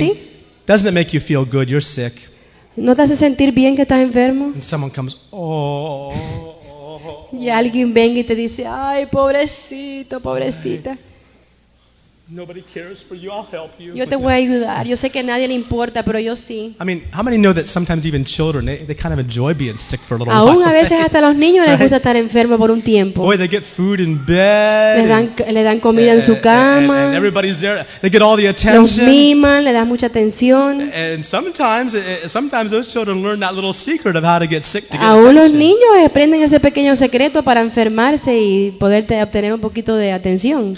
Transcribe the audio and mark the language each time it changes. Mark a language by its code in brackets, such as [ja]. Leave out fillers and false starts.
[en] Mean, doesn't it make you feel good? You're sick. [es] ¿No te hace sentir bien que estás enfermo? [en] And someone comes, oh. [es] Y alguien venga y te dice, ay, pobrecito, pobrecita. [en] Nobody cares for you. I'll help you. [es] Yo te voy a ayudar. Yo sé que a nadie le importa, pero yo sí. [en] I mean, how many know that sometimes even children they kind of enjoy being sick for a little [es] Aún [en] while? [es] Aún a veces hasta los niños les gusta estar enfermo por un tiempo. [en] Boy, they get food in bed. [es] Le dan comida en su cama. [en] And everybody's there. They get all the attention. [es] Los miman, le dan mucha atención. [en] And sometimes those children learn that little secret of how to get sick to get [es] Aún Aún los niños aprenden ese pequeño secreto para enfermarse y poder obtener un poquito de atención.